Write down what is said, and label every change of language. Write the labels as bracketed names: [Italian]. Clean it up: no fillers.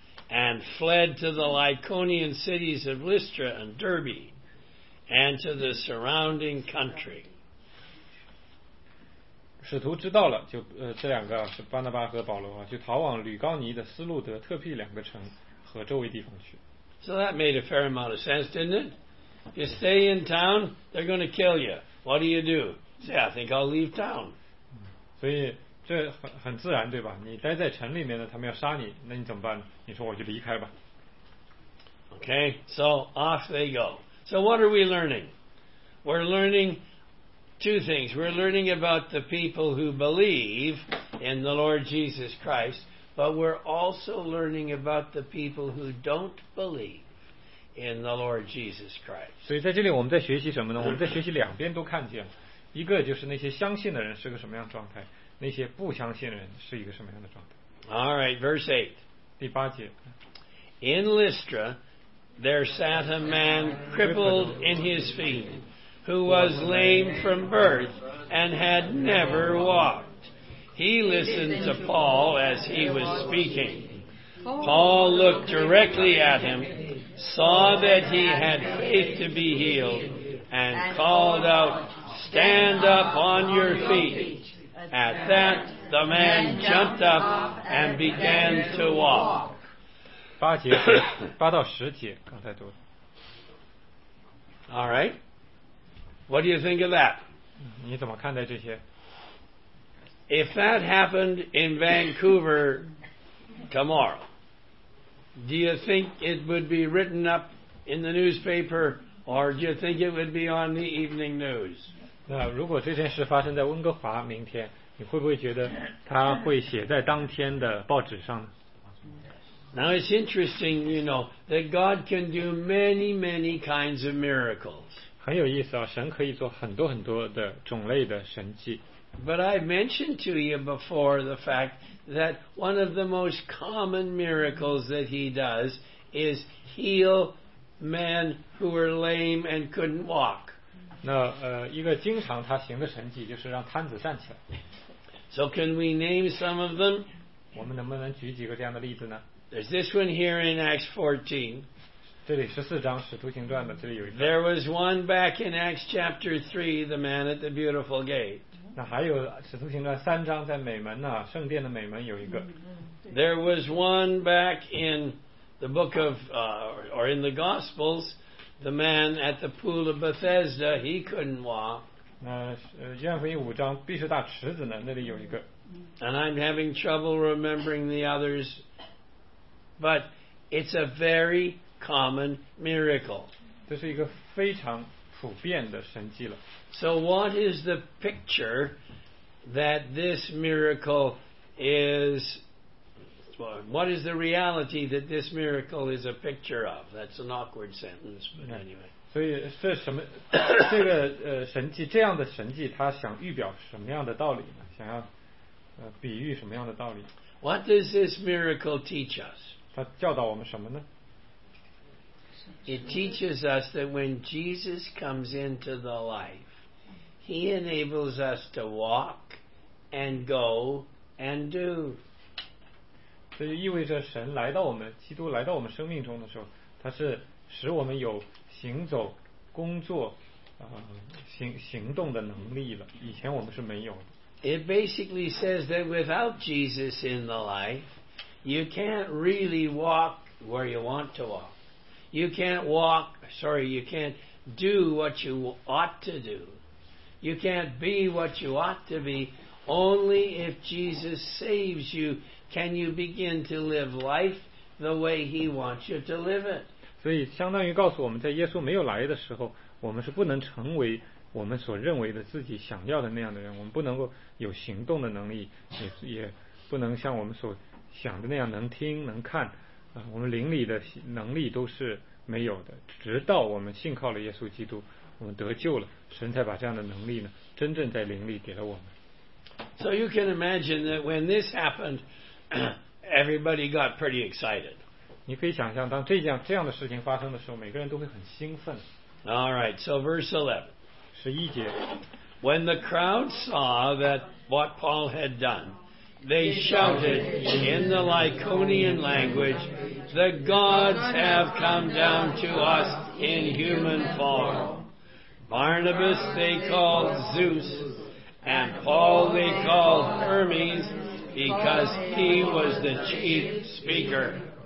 [English] and fled to the Lyconian cities of Lystra and Derbe and to the surrounding country. [Chinese] 使徒知道了，就这两个是巴拿巴和保罗啊，就逃往吕高尼的斯路德、特庇两个城和周围地方去。 [English] So that made a fair amount of sense, didn't it? You stay in town, they're going to kill you. What do you do? Say, I think I'll leave town. [Chinese] 所以这很自然，对吧？你待在城里面呢，他们要杀你，那你怎么办？你说我就离开吧。 [English] Okay, so off they go. So what are we learning? We're learning. Two things. We're learning about the people who believe in the Lord Jesus Christ, but we're also learning about the people who don't believe in the Lord Jesus Christ. [Chinese] 所以在这里我们在学习什么呢？我们在学习两边都看见了。一个就是那些相信的人是个什么样的状态，那些不相信的人是一个什么样的状态。 [English] All right, verse 8. [Chinese] 第八节。 [English] In Lystra, there sat a man crippled in his feet. Who was lame from birth and had never walked. He listened to Paul as he was speaking. Paul looked directly at him, saw that he had faith to be healed, and called out, Stand up on your feet. At that, the man jumped up and began to walk. [Chinese] 八节，八到十节，刚才读的。 [English] All right. What do you think of that? [Chinese] 你怎么看待这些? [English] If that happened in Vancouver tomorrow, do you think it would be written up in the newspaper or do you think it would be on the evening news? [Chinese] 那如果这件事发生在温哥华明天,你会不会觉得它会写在当天的报纸上? [English] Now it's interesting, you know, that God can do many, many kinds of miracles. [Chinese] 很有意思啊，神可以做很多很多的种类的神迹。 [English] But I mentioned to you before the fact that one of the most common miracles that he does is heal men who were lame and couldn't walk. [Chinese] 那一个经常他行的神迹就是让瘫子站起来。 [English] So can we name some of them? [Chinese] 我们能不能举几个这样的例子呢 [English] ？There's this one here in Acts 14. [Chinese] 这里十四章《使徒行传》的，这里有一个。 [English] There was one back in Acts chapter 3, the man at the beautiful gate. [Chinese] 那还有《使徒行传》三章，在美门呢、啊，圣殿的美门有一个。 [English] There was one back in the book of, or in the Gospels, the man at the pool of Bethesda, he couldn't walk. [Chinese] 那约翰福音五章，必是大池子呢，那里有一个。 [English] And I'm having trouble remembering the others, but it's a very common miracle. [Chinese] 这是一个非常普遍的神迹了。 [English] So what is the picture that this miracle is, what is the reality that this miracle is a picture of? That's an awkward sentence, but anyway. [Chinese] 所以是什么这个神迹这样的神迹它想预表什么样的道理呢想要比喻什么样的道理 [English] What does this miracle teach us? [Chinese] 它教导我们什么呢 [English] It teaches us that when Jesus comes into the life, He enables us to walk and go and do. [Chinese] 这就意味着神来到我们，基督来到我们生命中的时候，他是使我们有行走、工作、行动的能力了。以前我们是没有的。 [English] It basically says that without Jesus in the life, you can't really walk where you want to walk. You can't walk, sorry, you can't do what you ought to do. You can't be what you ought to be. Only if Jesus saves you can you begin to live life the way He wants you to live it. [Chinese] 所以相当于告诉我们在耶稣没有来的时候我们是不能成为我们所认为的自己想要的那样的人我们不能够有行动的能力 也不能像我们所想的那样能听能看我们灵里的能力都是没有的直到我们信靠了耶稣基督我们得救了神才把这样的能力呢真正在灵里给了我们 [English] So you can imagine that when this happened everybody got pretty excited [Chinese] 你可以想象当这样的事情发生的时候每个人都会很兴奋 [English] Alright, so verse 11 [Chinese] 11节 [English] When the crowd saw that what Paul had done They shouted in the Lyconian language, "The gods have come down to us in human form." Barnabas they called Zeus, and Paul they called Hermes, because he was the chief speaker.